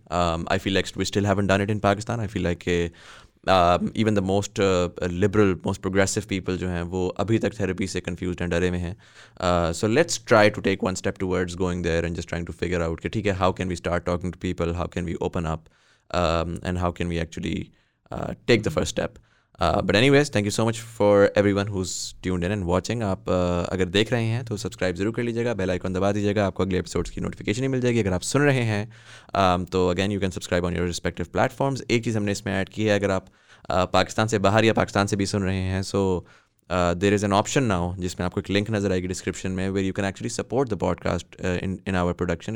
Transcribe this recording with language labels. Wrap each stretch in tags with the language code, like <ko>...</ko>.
<en>I feel like we still haven't done it in Pakistan. I feel like کہ even the most liberal most progressive people</en> <ur>جو ہیں وہ ابھی تک</ur> <en>Therapy سے confused and ڈرے ہوئے ہیں. So let's try to take one step towards going there and just trying to figure out</en> <ur>کہ ٹھیک ہے,</ur> <en>How can we start talking to people, how can we open up, and how can we actually take the first step. But anyways, thank you so much for everyone who's tuned in and watching.</en> <ur>آپ اگر دیکھ رہے ہیں تو subscribe ضرور کر لیجیے گا, bell icon دبا دیجیے گا, آپ کو اگلے اپیسوڈس کی نوٹیفکیشن ہی مل جائے گی. اگر آپ سن رہے ہیں تو</ur> <en>Again you can subscribe on your respective platforms.</en> <ur>ایک چیز ہم نے اس میں ایڈ کی ہے, اگر آپ پاکستان سے باہر یا پاکستان سے بھی سن رہے ہیں,</ur> <en>so there is an option now</en> <ur>جس میں آپ کو ایک لنک نظر آئے گی ڈسکرپشن میں,</ur> <en>where you can actually support the podcast</en> <ur>in our production.</ur>